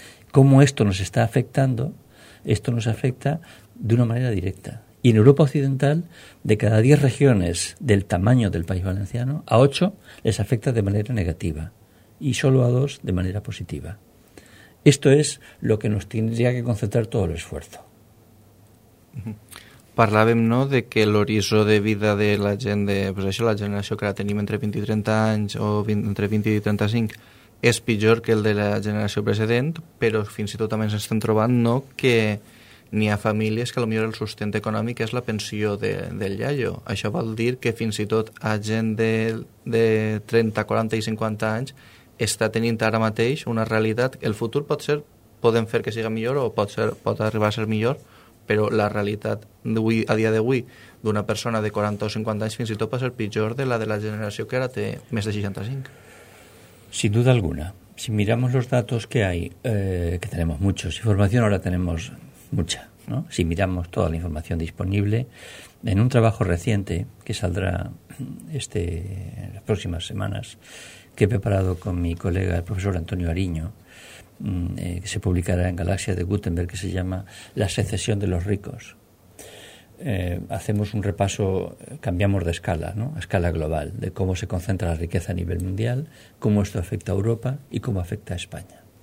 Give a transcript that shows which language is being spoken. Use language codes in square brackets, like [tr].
[es] ¿Cómo esto nos está afectando? Esto nos afecta de una manera directa. Y en Europa Occidental, de cada 10 regiones del tamaño del País Valenciano, a 8 les afecta de manera negativa y solo a 2 de manera positiva. Esto es lo que nos tendría que concentrar todo el esfuerzo. [ca] Parlàvem, no?, de que l'horitzó de vida de la gent, de, pues això, la generació que ara tenim entre 20 i 30 anys o 20, entre 20 i 35, és pitjor que el de la generació precedent, però fins i tot també ens estem trobant, no?, que n'hi ha famílies que potser el sustent econòmic és la pensió de, del iaio. Això vol dir que fins i tot a gent de 30, 40 i 50 anys està tenint ara mateix una realitat. El futur pot ser, podem fer que siga millor o pot ser, pot arribar a ser millor, però la realitat d'avui, a dia d'avui, d'una persona de 40 o 50 anys fins i tot pot ser pitjor de la generació que ara té més de 65. [es] Sin duda alguna. Si miramos los datos que hay, que tenemos muchos, información ahora tenemos mucha, ¿no? Si miramos toda la información disponible, en un trabajo reciente que saldrá en las próximas semanas, que he preparado con mi colega, el profesor Antonio Ariño, que se publicará en Galaxia de Gutenberg, que se llama La secesión de los ricos, hacemos un repaso, cambiamos de escala, ¿no?, a escala global, de cómo se concentra la riqueza a nivel mundial, cómo esto afecta a Europa y cómo afecta a España.